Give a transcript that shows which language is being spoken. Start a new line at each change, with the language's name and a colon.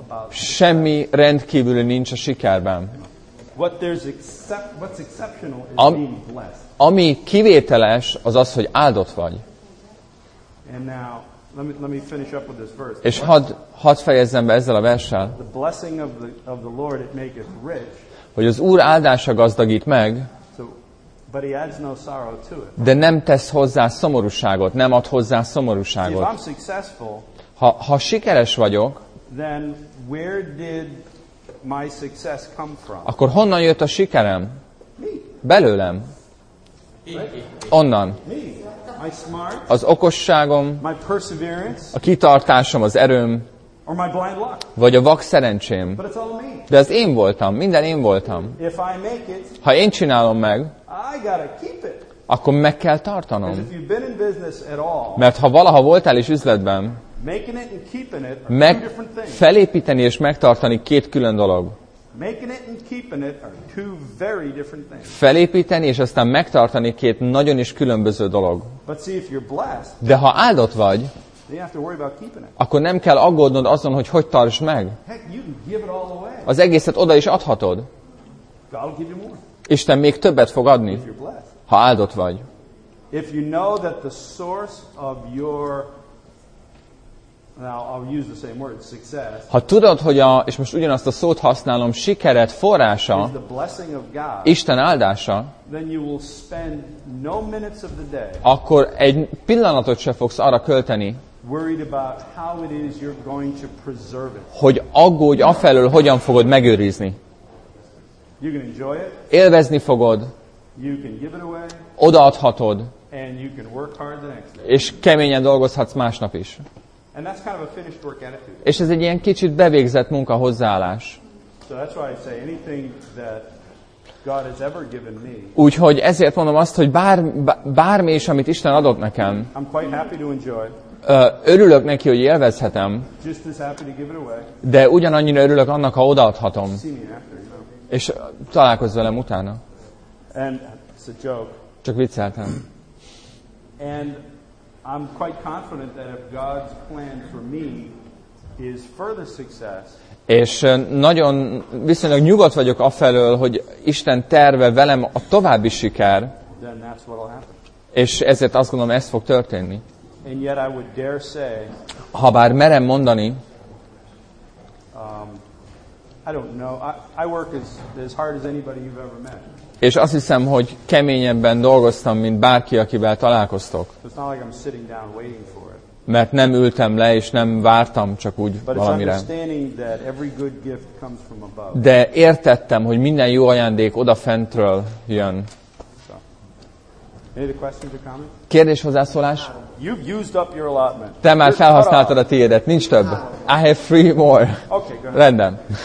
Hungarian: Semmi rendkívüli nincs a sikerben.
English: What's exceptional is being blessed.
Hungarian: Ami kivételes, az az, hogy áldott vagy.
English: And now, let me finish up with this verse.
Hungarian: És hadd fejezzem be ezzel a verssel.
English: The blessing of the Lord it maketh rich.
Hungarian: Hogy az Úr áldása gazdagít meg.
English: So, but he adds no sorrow to it.
Hungarian: De nem tesz hozzá szomorúságot, nem ad hozzá szomorúságot.
English: See, if I'm successful,
Hungarian: ha sikeres vagyok,
English: then where did my success come from?
Hungarian: Akkor honnan jött a sikerem?
English: Me.
Hungarian: Belőlem. Onnan.
English: Me. My smart.
Hungarian: Az okosságom.
English: My perseverance.
Hungarian: A kitartásom, az erőm.
English: Or my blind luck.
Hungarian: Vagy a vak szerencsém.
English: But it's all me.
Hungarian: De ez én voltam. Minden én voltam.
English: If I make it,
Hungarian: ha én csinálom meg,
English: I gotta keep it.
Hungarian: Akkor meg kell tartanom.
English: If you've been in business at all,
Hungarian: mert ha valaha voltál is üzletben,
English: making it and keeping it are
Hungarian: meg felépíteni és megtartani két külön dolog.
English: Making it and keeping it are two very different things.
Hungarian: Felépíteni és aztán megtartani két nagyon is különböző dolog.
English: But see, if you're blessed,
Hungarian: de ha áldott vagy,
English: you have to worry about keeping it.
Hungarian: Akkor nem kell aggódnod azon, hogy tartsd meg.
English: Heck, you can give it all away.
Hungarian: Az egészet oda is adhatod. Isten még többet fog adni, ha áldott vagy.
English: If you know that the source of your, now I'll use the same word, success.
Hungarian: Ha tudod, hogy a, és most ugyanazt a szót használom, sikered forrása,
English: is the blessing of God,
Hungarian: Isten áldása,
English: then you will spend no minutes of the day,
Hungarian: akkor egy pillanatot sem fogsz arra költeni,
English: worried about how it is you're going to preserve it.
Hungarian: Hogy aggódj afelől, hogyan fogod megőrizni.
English: You can enjoy it.
Hungarian: Élvezni fogod.
English: You can give it away.
Hungarian: Odaadhatod.
English: And you can work hard the next day.
Hungarian: És keményen dolgozhatsz másnap is.
English: And that's kind of a finished work attitude.
Hungarian: És ez egy ilyen kicsit bevégzett munka hozzáállás.
English: So that's why I say anything that God has ever given me.
Hungarian: Úgyhogy ezért mondom azt, hogy bármi is, amit Isten adott nekem.
English: I'm quite happy to enjoy.
Hungarian: Örülök neki, hogy élvezhetem.
English: Just as happy to give it away.
Hungarian: De ugyanannyira örülök annak, ha odaadhatom. És találkozz velem utána.
English: And it's a joke.
Hungarian: Csak vicceltem.
English: And I'm quite confident that if God's plan for me is further success.
Hungarian: És nagyon viszonylag nyugodt vagyok afelől, hogy Isten terve velem a további siker.
English: Then that's what will happen.
Hungarian: És ezért azt gondolom, ez fog történni.
English: And yet I would dare say,
Hungarian: habár merem mondani,
English: I don't know. I work as hard as anybody you've ever met.
Hungarian: És azt hiszem, hogy keményebben dolgoztam, mint bárki, akivel találkoztok.
English: It's not like I'm sitting down waiting for it.
Hungarian: Mert nem ültem le, és nem vártam csak úgy
English: but
Hungarian: valamire.
English: It's understanding that every good gift comes from above.
Hungarian: De értettem, hogy minden jó ajándék odafentről jön.
English: Any questions or comments?
Hungarian: Kérdés, hozzászólás?
English: You've used up your allotment.
Hungarian: Te már felhasználtad a tiédet, nincs több.
English: I have three more. Okay, go ahead.
Hungarian: Rendben.